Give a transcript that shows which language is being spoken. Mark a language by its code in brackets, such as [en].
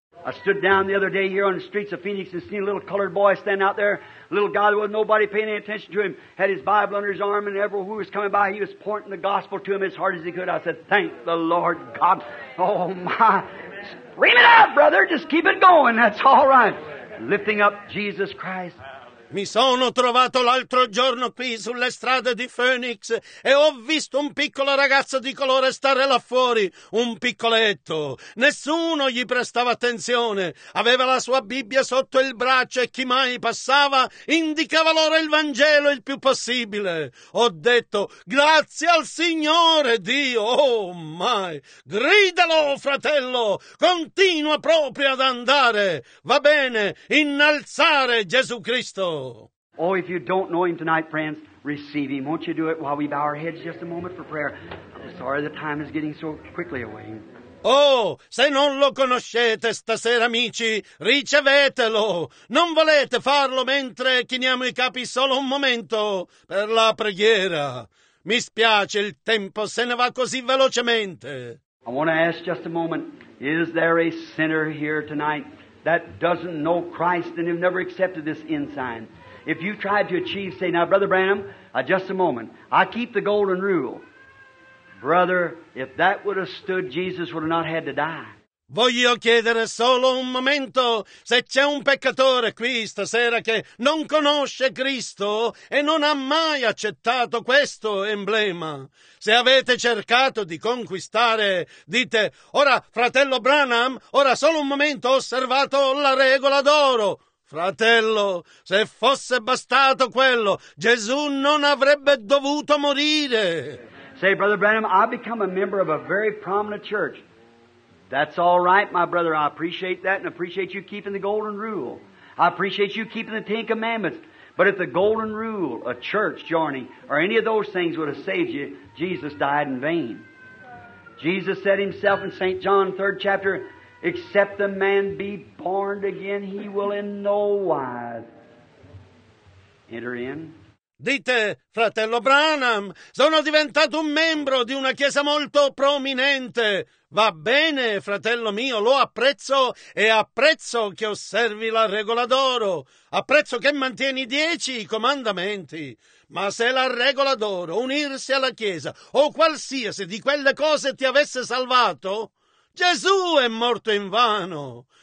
[en] I stood down the other day here on the streets of Phoenix and seen a little colored boy standing out there, a little guy that was nobody paying any attention to him, had his Bible under his arm, and everyone who was coming by, he was pointing the gospel to him as hard as he could. I said, thank the Lord God. Oh, my. Scream it out, brother. Just keep it going. That's all right. Lifting up Jesus Christ. [it] Mi sono trovato l'altro giorno qui sulle strade di Phoenix e ho visto un piccolo ragazzo di colore stare là fuori, un piccoletto. Nessuno gli prestava attenzione, aveva la sua Bibbia sotto il braccio e chi mai passava indicava loro il Vangelo il più possibile. Ho detto, grazie al Signore Dio, oh mai, gridalo fratello, continua proprio ad andare, va bene, innalzare Gesù Cristo. [en] Oh, if you don't know him tonight, friends, receive him. Won't you do it while we bow our heads just a moment for prayer? I'm sorry the time is getting so quickly away. [it] Oh, se non lo conoscete stasera, amici, ricevetelo. Non volete farlo mentre chiniamo i capi solo un momento per la preghiera. Mi spiace, il tempo se ne va così velocemente. [en] I want to ask just a moment, is there a sinner here tonight that doesn't know Christ and have never accepted this ensign? If you tried to achieve, say, now, Brother Branham, just a moment, I keep the golden rule. Brother, if that would have stood, Jesus would have not had to die. [it] Voglio chiedere solo un momento se c'è un peccatore qui stasera che non conosce Cristo e non ha mai accettato questo emblema. Se avete cercato di conquistare, dite, ora, fratello Branham, ora solo un momento, ho osservato la regola d'oro. Fratello, se fosse bastato quello, Gesù non avrebbe dovuto morire. [en] Say, Brother Branham, I've become a member of a very prominent church. That's all right, my brother. I appreciate that and appreciate you keeping the golden rule. I appreciate you keeping the Ten Commandments. But if the golden rule, a church joining, or any of those things would have saved you, Jesus died in vain. Jesus said himself in St. John, 3rd chapter, except the man be born again, he will in no wise enter in. [it] Dite, fratello Branham, sono diventato un membro di una chiesa molto prominente. Va bene, fratello mio, lo apprezzo e apprezzo che osservi la regola d'oro. Apprezzo che mantieni 10 comandamenti. Ma se la regola d'oro, unirsi alla chiesa o qualsiasi di quelle cose ti avesse salvato, Gesù è morto in vano.